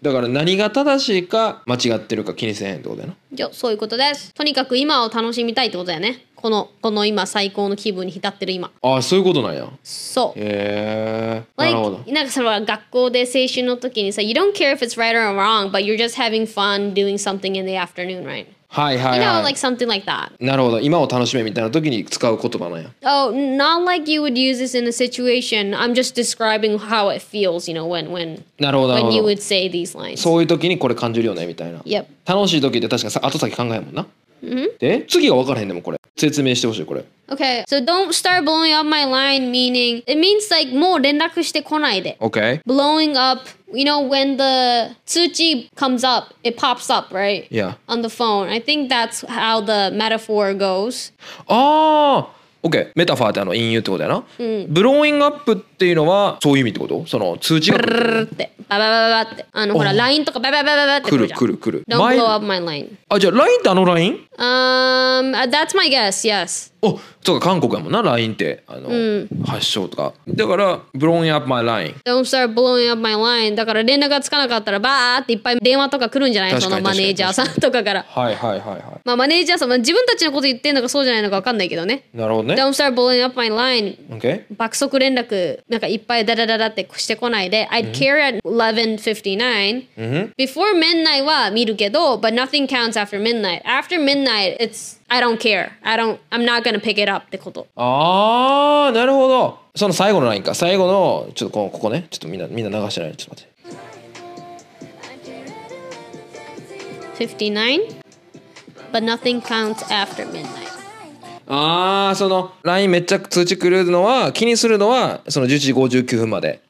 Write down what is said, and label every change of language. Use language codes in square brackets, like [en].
[ja] だから何が正しいか間違ってるか気にせへんってことだよな。じゃあそういうことです。とにかく今を楽しみたいってことだよね。この今最高の気分に浸ってる今。ああそういうことなんや。そう。へえ。なるほど。なんかそれは学校で青春の時にさ、 [en] You don't care if it's right or wrong, but you're just having fun doing something in the afternoon, right? [ja] はいはいはい。 [en] You know, like something like that. [ja] なるほど。今を楽しめみたいな時に使う言葉なんや。 [en] Oh, not like you would use this in a situation. I'm just describing how it feels, you know, when [ja] なるほど。 [en] when you would say these lines. [ja] そういう時にこれ感じるよねみたいな。 [en] Yep. [ja] 楽しい時って確かさ後先考えるもんな。 Mm-hmm. で次が分からへんでもこれ説明してほしいこれ [en] Okay, so don't start blowing up my line meaning It means like [ja] もう連絡してこないで [en] Okay Blowing up You know when the 通知 comes up It pops up, right? Yeah On the phone I think that's how the metaphor goes [ja] ああ OK メタファーってあの引用ってことやな、うん、 Blowing up っていうのはそういう意味ってことその通知がブルルルってババババババってあのほら LINE とかババババババって来るじゃん来る来る [en] Don't blow up my line [ja] あじゃあ LINE ってあの LINE? [en] That's my guess, yes [ja] お、そうか、韓国やもんな、 LINE ってあの、うん、発祥とか。 [en] だから blowing up my line、 don't start blowing up my line。 [ja] だから連絡がつかなかったらバーっていっぱい電話とか来るんじゃない、そのマネージャーさんとかから。はいはいはいはい、まあマネージャーさん、まあ、自分たちのこと言ってんのかそうじゃないのか分かんないけどね。なるほどね。 [en] don't start blowing up my line、 OK、 [ja] 爆速連絡なんかいっぱいダダダダってしてこないで、うん、 [en] I'd care at 11:59、 [ja] うん、 [en] before midnight [ja] は見るけど、 [en] but nothing counts after midnight、 after midnight it'sI don't care. I don't, I'm not gonna pick it up [ja] ってこと。あー、なるほど。その最後のラインか。最後の、ちょっとここね。ちょっとみんな流してない。ちょっと待って。 [en] 59? But nothing counts after midnight. [ja] あー、そのラインめっちゃ通知来るのは、気にするのは、その11時59分まで。